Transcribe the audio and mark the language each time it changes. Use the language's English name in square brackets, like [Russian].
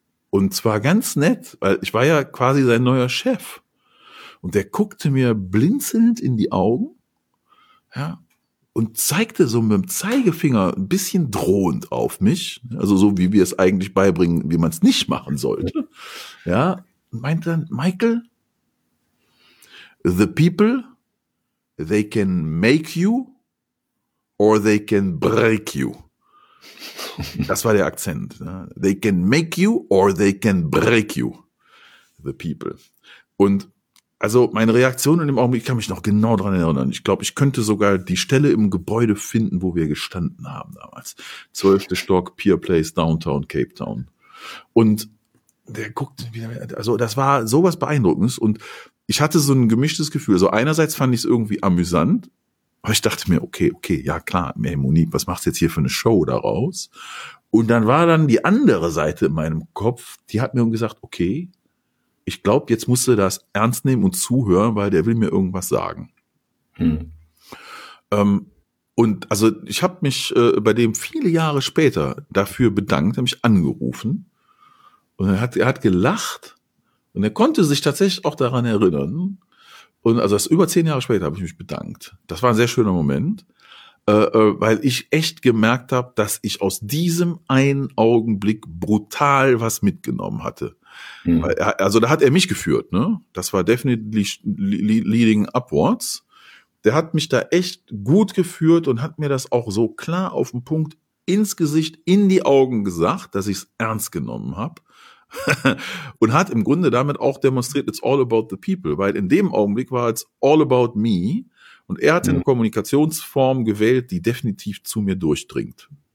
[German] Und zwar ganz nett, weil ich war ja quasi sein neuer Chef. Und der guckte mir blinzelnd in die Augen. Ja, und zeigte so mit dem Zeigefinger ein bisschen drohend auf mich, also so wie wir es eigentlich beibringen, wie man es nicht machen sollte. Ja, und meinte dann, [English] Michael, the people, they can make you or they can break you. [German] Das war der Akzent. Ja. [English] They can make you or they can break you, the people. [German] Und also meine Reaktion in dem Augenblick, ich kann mich noch genau dran erinnern. Ich glaube, ich könnte sogar die Stelle im Gebäude finden, wo wir gestanden haben damals. 12. Stock, Pier Place, Downtown, Cape Town. Und der guckt, also das war sowas Beeindruckendes. Und ich hatte so ein gemischtes Gefühl. Also einerseits fand ich es irgendwie amüsant. Aber ich dachte mir, okay, ja klar, Monique, was machst du jetzt hier für eine Show daraus? Und dann war dann die andere Seite in meinem Kopf, die hat mir gesagt, okay, ich glaube, jetzt musst du das ernst nehmen und zuhören, weil der will mir irgendwas sagen. Und also ich habe mich bei dem viele Jahre später dafür bedankt, er mich angerufen und er hat gelacht und er konnte sich tatsächlich auch daran erinnern. Und also über 10 Jahre später habe ich mich bedankt. Das war ein sehr schöner Moment, weil ich echt gemerkt habe, dass ich aus diesem einen Augenblick brutal was mitgenommen hatte. Also da hat er mich geführt, ne? Das war [English] definitely leading upwards. [German] Der hat mich da echt gut geführt und hat mir das auch so klar auf den Punkt ins Gesicht, in die Augen gesagt, dass ich es ernst genommen habe und hat im Grunde damit auch demonstriert, [English] it's all about the people, [German] weil in dem Augenblick war es [English] all about me [German] und er hat eine Kommunikationsform gewählt, die definitiv zu mir durchdringt.